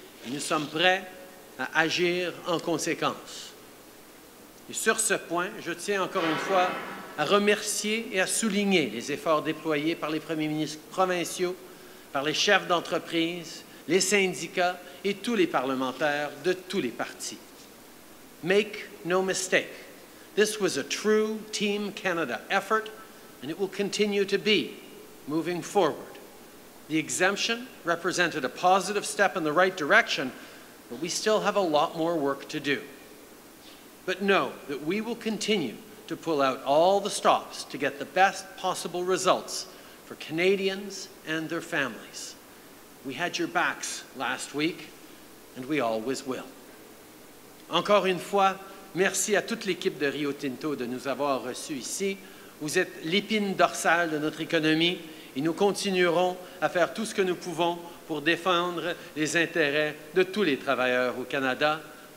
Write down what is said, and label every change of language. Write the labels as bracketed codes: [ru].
[fr] Nous sommes prêts à agir en conséquence. Et sur ce point, je tiens encore une fois à remercier et à souligner les efforts déployés par les premiers ministres provinciaux, par les chefs d'entreprise, les syndicats et tous les parlementaires de tous les partis. [en] Make no mistake, this was a true Team Canada effort, and it will continue to be moving forward. The exemption represented a positive step in the right direction, but we still have a lot more work to do. But know that we will continue to pull out all the stops to get the best possible results for Canadians and their families. We had your backs last week, and we always will. [fr] Encore une fois, merci à toute l'équipe de Rio Tinto de nous avoir reçus ici. Vous êtes l'épine dorsale de notre économie et nous continuerons à faire tout ce que nous pouvons pour défendre les intérêts de tous les travailleurs au Canada.